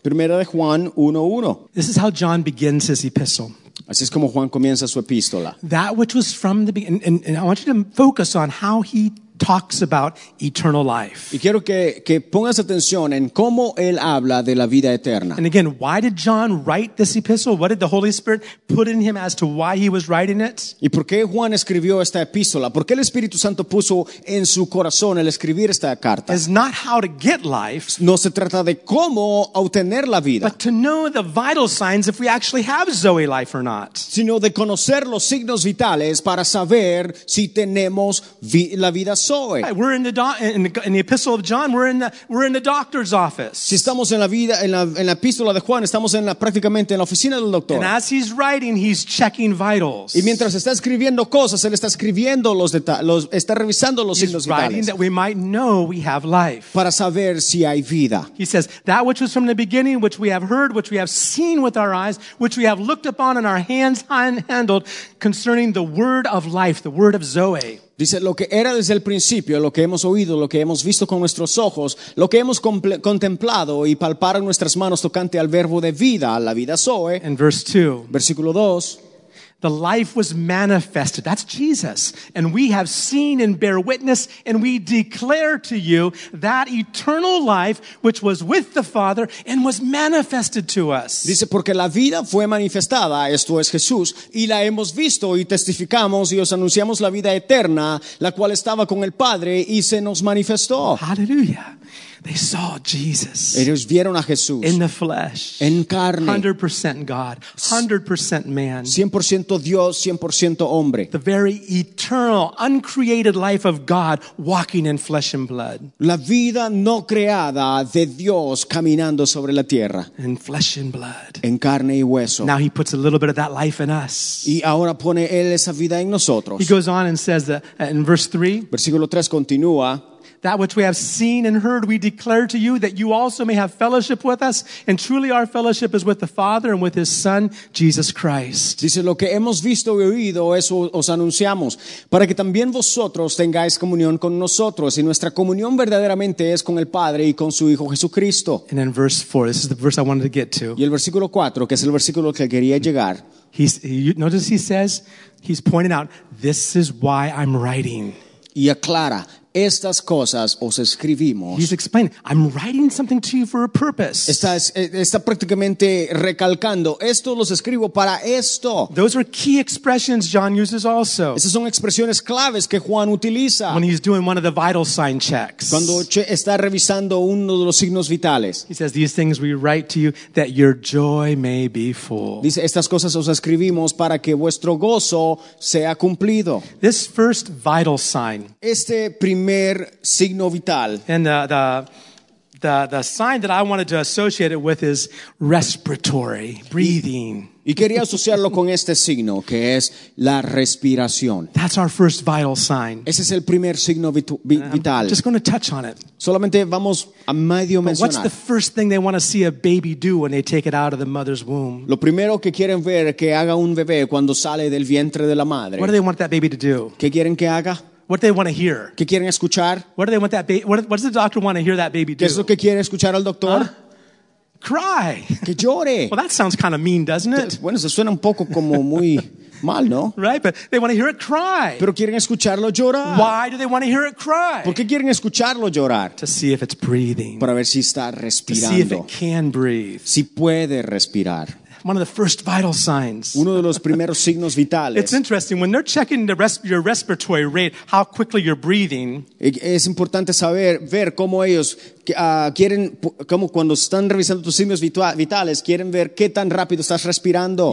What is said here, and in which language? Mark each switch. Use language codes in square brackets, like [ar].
[es] Primera de Juan 1:1. [en] This is how John begins his epistle. [es] Así es como Juan comienza su epístola. [en] That which was from the beginning, and I want you to focus on how he talks about eternal life. [es] Y quiero que pongas atención en cómo él habla de la vida eterna. [en] And again, why did John write this epistle? What did the Holy Spirit put in him as to why he was writing it? [es] ¿Y por qué Juan escribió esta epístola? ¿Por qué el Espíritu Santo puso en su corazón el escribir esta carta? [en] It's not how to get life. [es] No se trata de cómo obtener la vida. [en] But to know the vital signs if we actually have Zoe life or not. [es] Sino de conocer los signos vitales para saber si tenemos la vida. [en] Right, we're in the epistle of John. We're in the doctor's office. [es] Si estamos en la vida en la epístola de Juan, estamos en la prácticamente en la oficina del doctor. [en] And as he's writing, he's checking vitals. [es] Y mientras está escribiendo cosas, él está escribiendo los está revisando los signos vitales. [en] He's writing that we might know we have life. [es] Para saber si hay vida. [en] He says that which was from the beginning, which we have heard, which we have seen with our eyes, which we have looked upon and our hands handled, concerning the word of life, the word of Zoe. [es] Dice, lo que era desde el principio, lo que hemos oído, lo que hemos visto con nuestros ojos, lo que hemos contemplado y palparon nuestras manos tocante al verbo de vida, la vida Zoe. En versículo 2. [en] The life was manifested. That's Jesus. And we have seen and bear witness and we declare to you that eternal life which was with the Father and was manifested to us. [es] Dice, porque la vida fue manifestada, esto es Jesús, y la hemos visto y testificamos y os anunciamos la vida eterna, la cual estaba con el Padre y se nos manifestó. [en] Hallelujah. They saw Jesus. [es] Ellos vieron a Jesús. [en] In the flesh. [es] En carne. [en] 100% God. 100% man. [es] 100% Dios, 100% hombre. [en] The very eternal, uncreated life of God walking in flesh and blood. [es] La vida no creada de Dios caminando sobre la tierra. [en] In flesh and blood. [es] En carne y hueso. [en] Now he puts a little bit of that life in us. [es] Y ahora pone él esa vida en nosotros. [en] He goes on and says that in verse 3. [es] Versículo 3 continúa. [en] That which we have seen and heard, we declare to you that you also may have fellowship with us. And truly our fellowship is with the Father and with His Son, Jesus Christ. [es] Dice, lo que hemos visto y oído, eso os anunciamos. Para que también vosotros tengáis comunión con nosotros. Y nuestra comunión verdaderamente es con el Padre y con su Hijo Jesucristo. [en] And in verse 4, this is the verse I wanted to get to. [es] Y el versículo 4, que es el versículo que quería llegar. [en] Notice he says, he's pointing out, this is why I'm writing. [es] Y aclara. Estas cosas os escribimos. [en] He's explaining, I'm writing something to you for a purpose. [es] Está prácticamente recalcando, esto los escribo para esto. [en] Those are key expressions John uses also. [es] Esas son expresiones claves que Juan utiliza. [en] When he's doing one of the vital sign checks. [es] Cuando está revisando uno de los signos vitales. [en] He says, these things we write to you that your joy may be full. [es] Dice, estas cosas os escribimos para que vuestro gozo sea cumplido. [en] This first vital sign. [es] Este primer signo vital. [en] And the sign that I wanted to associate it with is respiratory, breathing. [es] Y quería asociarlo con este signo, que es la respiración. [en] That's our first vital sign. [es] Ese es el primer signo vital. [en] I'm just going to touch on it. [es] Solamente vamos a medio mencionar. [en] What's the first thing they want to see a baby do when they take it out of the mother's womb? [es] Lo primero que quieren ver que haga un bebé cuando sale del vientre de la madre. [en] What do they want that baby to do? [es] ¿Qué quieren que haga? [en] What do they want to hear? [es] ¿Qué quieren escuchar? [en] What do they want that what does the doctor want to hear that baby do? [es] ¿Qué es lo que quiere escuchar al doctor? [en] Cry. [es] Que llore. [en] Well, that sounds kind of mean, doesn't it? [es] Bueno, se suena un poco como muy Mal, ¿no? [en] Right, but they want to hear it cry. [es] Pero quieren escucharlo llorar. [en] Why do they want to hear it cry? [es] ¿Por qué quieren escucharlo llorar? [en] To see if it's breathing. [es] Para ver si está respirando. [en] To see if it can breathe. [es] Si puede respirar. [en] One of the first vital signs. [es] Uno de los primeros signos vitales. [en] It's interesting when they're checking the your respiratory rate, how quickly you're breathing. [es] Es importante saber ver cómo ellos quieren cómo cuando están revisando tus signos vitales quieren ver qué tan rápido estás respirando.